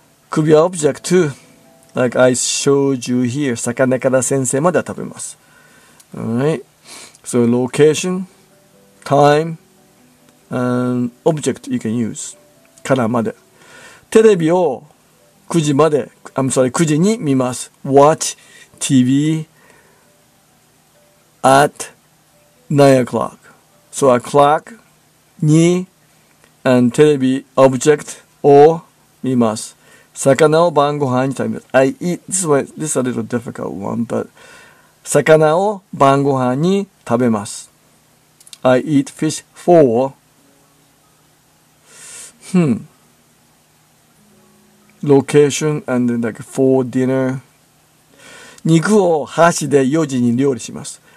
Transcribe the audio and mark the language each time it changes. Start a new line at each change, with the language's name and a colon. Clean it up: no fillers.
English: Could be an object too, like I showed you here.
Japanese: 魚から先生まで食べます。
English: Alright. So location, time, and object you can use.
Japanese: からまで。テレビを9時まで、
English: I'm sorry,
Japanese: 9時に見ます。
English: Watch TV at 9 o'clock. So a clock, に and テレビ object
Japanese: を見ます。魚を晩ご飯に食べます。
English: I eat, this is a little difficult one, but
Japanese: 魚を晩ご飯に食べます。
English: I eat fish for, location and then like for dinner.
Japanese: 肉を箸で4時に料理します。